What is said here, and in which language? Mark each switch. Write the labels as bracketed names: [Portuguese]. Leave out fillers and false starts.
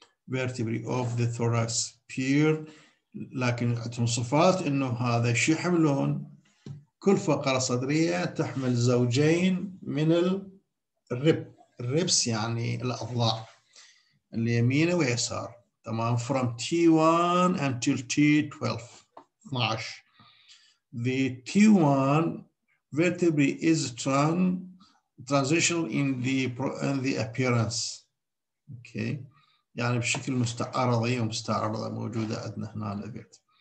[English] vertebrae of the thorax pair، [Arabic] لكن عندهم صفات انه هذا شو يحملون؟ كل فقرة صدرية تحمل زوجين من الربس يعني الأضلاع اليمين ويسار، تمام؟ [English] from T1 until T12 [Arabic] 12. [English] The T1 vertebrae is transitional in the appearance. Okay. [Arabic] يعني بشكل مستعرضي ومستعرضة موجودة عندنا هنا على البيت.